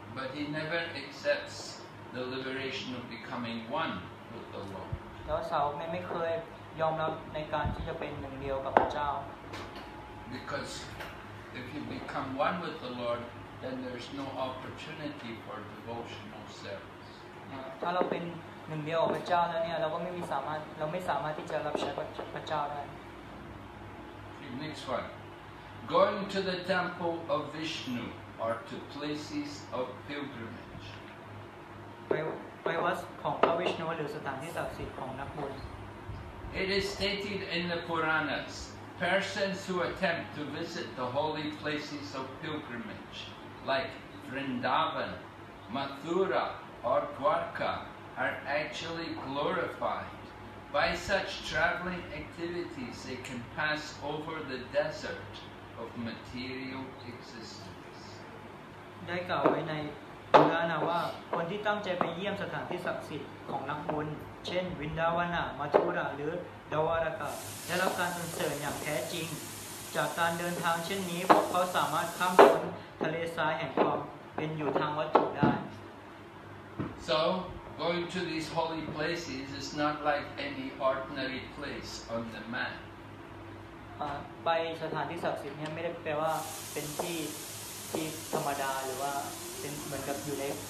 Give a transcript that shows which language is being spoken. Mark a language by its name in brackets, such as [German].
[English] But he never acceptsthe liberation of becoming one with the Lord. [Thai] แล้วสาวกไม่เคยยอมรับในการที่จะเป็นหนึ่งเดียวกับพระเจ้า [English] Because if you become one with the Lord, then there's no opportunity for devotional service. [Thai] ถ้าเราเป็นหนึ่งเดียวกับพระเจ้าแล้วเนี่ยเราไม่สามารถที่จะรับใช้พระเจ้าได้ [English] Next one. Going to the temple of Vishnu or to places of pilgrimage [Thai] ไปวัดของพระวิษณุหรือสถานที่ศักดิ์สิทธิ์ของนักบุญ [English] It is stated in the Puranas persons who attempt to visit the holy places of pilgrimage like Vrindavan, Mathura or Dwarka are actually glorified by such traveling activities they can pass over the desert of material existence [Thai] ได้กล่าวไว้ในดังนั้นว่าคนที่ตั้งใจไปเยี่ยมสถานที่ศักดิ์สิทธิ์ของนักบุญเช่นวินดาวนามัทุระหรือดวารกะได้รับการสรรเสริญอย่างแท้จริงจากการเดินทางเช่นนี้พวกเขาสามารถข้ามพ้นทะเลทรายแห่งความเป็นอยู่ทางวัตถุได้ [English] So going to these holy places is not like any ordinary place on the map [Thai] ไปสถานที่ศักดิ์สิทธิ์เนี่ยไม่ได้แปลว่าเป็นที่ธรรมดาหรือว่าเป็นเหมือนกับอยู่ใน